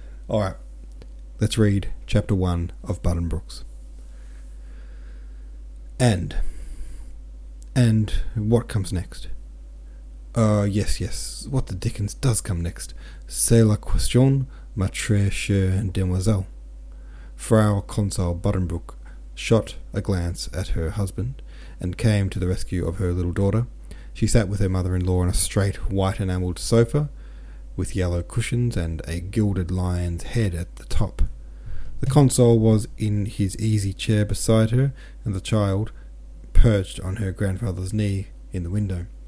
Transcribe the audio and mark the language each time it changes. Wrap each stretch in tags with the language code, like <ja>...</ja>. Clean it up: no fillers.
<en>Alright, let's read chapter 1 of Buddenbrooks. And what comes next? Yes, what the dickens does come next?</en> <fr>C'est la question, ma très chère demoiselle.</fr> <en>Frau Consul Buddenbrook shot a glance at her husband and came to the rescue of her little daughter. She sat with her mother-in-law on a straight white enameled sofa with yellow cushions and a gilded lion's head at the top. The consul was in his easy chair beside her, and the child perched on her grandfather's knee in the window.</en>